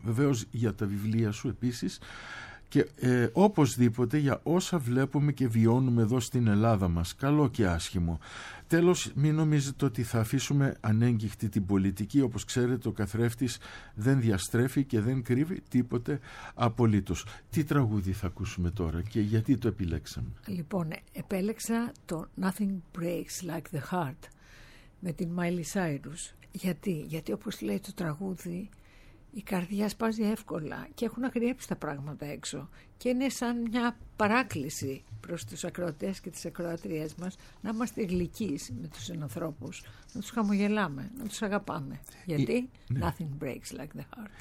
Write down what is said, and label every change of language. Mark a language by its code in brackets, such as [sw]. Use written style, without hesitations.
[el] Βεβαίως για τα βιβλία σου επίσης και οπωσδήποτε για όσα βλέπουμε και βιώνουμε εδώ στην Ελλάδα μας, καλό και άσχημο. Τέλος, μην νομίζετε ότι θα αφήσουμε ανέγγιχτη την πολιτική. Όπως ξέρετε, ο καθρέφτης δεν διαστρέφει και δεν κρύβει τίποτε απολύτως. Τι τραγούδι θα ακούσουμε τώρα και γιατί το επιλέξαμε? Λοιπόν, επέλεξα το «Nothing Breaks Like the Heart» με την Miley Cyrus. Γιατί όπως λέει το τραγούδι, η καρδιά σπάζει εύκολα και έχουν αγριέψει τα πράγματα έξω και είναι σαν μια παράκληση προς τους ακροατές και τις ακροατριές μας να είμαστε γλυκείς με τους συνανθρώπους, να τους χαμογελάμε, να τους αγαπάμε. Γιατί? [en] Nothing breaks like the heart.